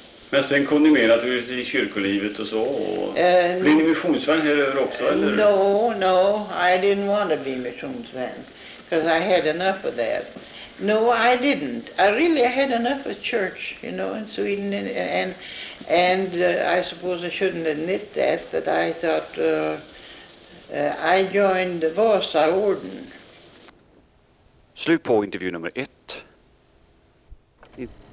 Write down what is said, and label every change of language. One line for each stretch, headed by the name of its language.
Swedish: Men sen kom ni med att du i kyrkolivet och så, och blev ni missionsvän här över också, eller?
English: No, I didn't want to be missionsvän, because I had enough of that. No, I didn't. I had enough of church, you know, in Sweden, and I suppose I shouldn't admit that, but I thought I joined the Vasa Orden.
Swedish: Slut på intervju nummer ett.